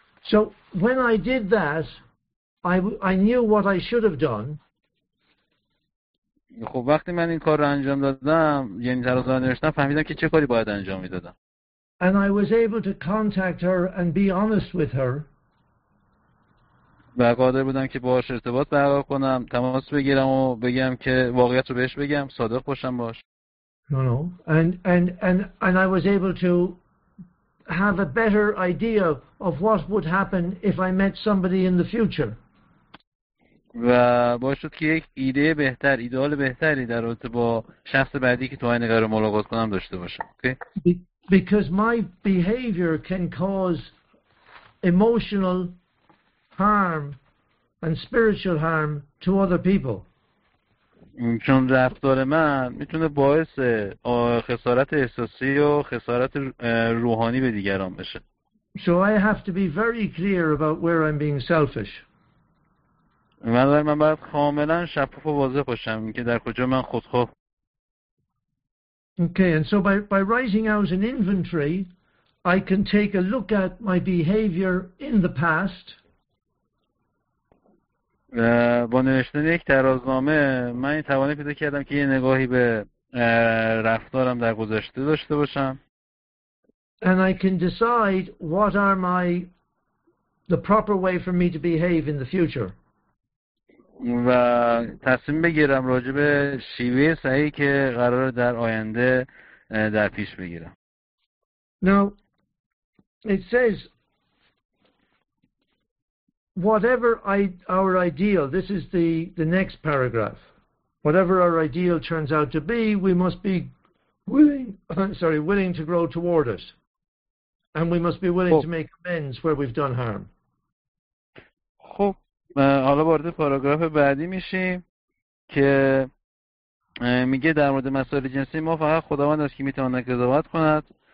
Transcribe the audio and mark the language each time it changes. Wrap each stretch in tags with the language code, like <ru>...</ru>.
<en>So when I did that, I knew what I should have done.</en> <fa>خب وقتی من این کار رو انجام دادم، یعنی ترازو نوشتم، فهمیدم که چه کاری باید انجام میدادم.</fa> <en>And I was able to contact her and be honest with her.</en> <fa>و قادر بودم که باهاش ارتباط برقرار کنم، تماس بگیرم و بگم که واقعیت رو بهش بگم، صادق باشم باهاش.</fa> <en>No. And I was able to have a better idea of what would happen if I met somebody in the future.</en> <fa>و باعث شد که یک ایده بهتر، ایدئال بهتری در رابطه با شخص بعدی که تو آینه قرار ملاقات کنم داشته باشم.</fa> <en>Okay? Because my behavior can cause emotional harm and spiritual harm to other people.</en> <fa>چون رفتار من میتونه باعث خسارت احساسی و خسارت روحانی به دیگران بشه.</fa> <en>So I have to be very clear about where I'm being selfish.</en> <fa>من باید کاملا شفاف و واضح باشم که در کجا من خودخواه.</fa> <en>Okay, and so by writing out an inventory, I can take a look at my behavior in the past.</en> <fa>با نوشتن یک ترازنامه من این توانایی پیدا کردم که یه نگاهی به رفتارم در گذشته داشته باشم.</fa> <en>And I can decide what are the proper way for me to behave in the future.</en> <fa>و تصمیم بگیرم راجع به شیوه صحیحی که قرار در آینده در پیش بگیرم.</fa> <en>Now, it says, whatever our ideal, this is the next paragraph, whatever our ideal turns out to be, we must be willing to grow toward it. And we must be willing to make amends where we've done harm.</en> <fa>خب. حالا وارد پاراگراف بعدی میشیم که میگه در مورد مسائل جنسی ما فقط خداوند است که میتواند قضاوت کند.</fa>